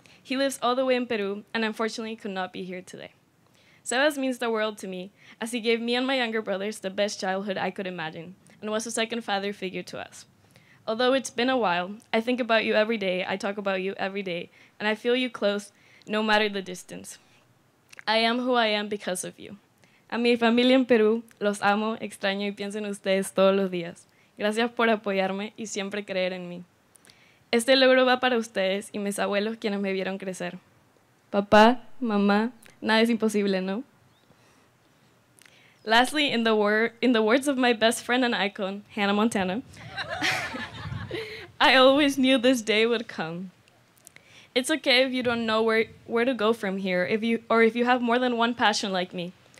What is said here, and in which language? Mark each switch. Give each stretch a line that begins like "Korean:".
English: He lives all the way in Peru and unfortunately could not be here today. Sebas means the world to me, as he gave me and my younger brothers the best childhood I could imagine and was a second father figure to us. Although it's been a while, I think about you every day, I talk about you every day, and I feel you close no matter the distance. I am who I am because of you.
Spanish: A mi familia en Perú, los amo, extraño y pienso en ustedes todos los días. Gracias por apoyarme y siempre creer en mí. Este logro va para ustedes y mis abuelos quienes me vieron crecer. Papá, mamá, nada es imposible, ¿no?
English: Lastly, in the words of my best friend and icon, Hannah Montana, I always knew this day would come. It's okay if you don't know where to go from here, if you have more than one passion like me.